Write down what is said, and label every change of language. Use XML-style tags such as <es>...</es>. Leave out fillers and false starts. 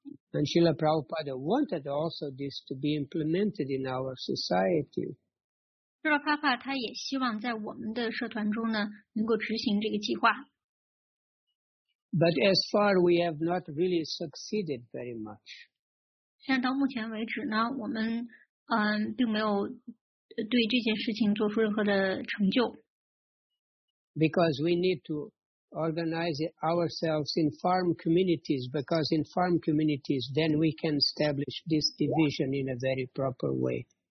<en>And Srila Prabhupada wanted also this to be implemented in our society.</en> <zh>Srila Prabhupada 他也希望在我们的社团中呢，能够执行这个计划。</zh> <en>But as far we have not really succeeded very much.</en> <zh>现在到目前为止呢，我们并没有对这件事情做出任何的成就。</zh> <en>Because we need to organize ourselves in farm communities, because in farm communities, then we can establish this division in a very proper way.</en>